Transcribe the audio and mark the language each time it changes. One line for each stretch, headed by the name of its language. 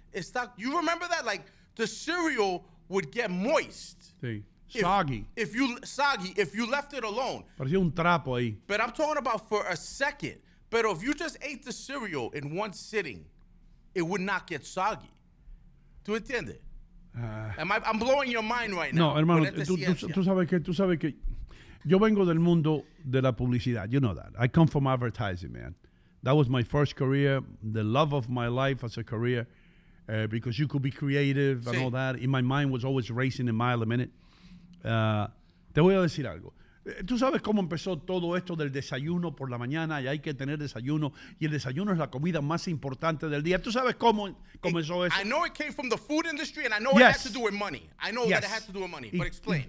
Spanish: Está,
English: you remember that? Like, the cereal would get moist.
Spanish: Sí. Soggy.
English: Soggy, if you left it alone.
Spanish: Parecía un trapo ahí.
English: But I'm talking about for a second. But if you just ate the cereal in one sitting, it would not get soggy.
Spanish: ¿Tú entiendes?
English: I'm blowing your mind right now.
Spanish: No, hermano, tú sabes que yo vengo del mundo de la publicidad.
English: You know that. I come from advertising, man. That was my first career, the love of my life as a career, because you could be creative and all that. In my mind was always racing a mile a minute.
Spanish: Te voy a decir algo. Tú sabes cómo empezó todo esto del desayuno por la mañana y hay que tener desayuno y el desayuno es la comida más importante del día. Tú sabes cómo comenzó
English: it,
Spanish: eso.
English: I know it came from the food industry and I know it has to do with money. I know that it has to do with money, but explain.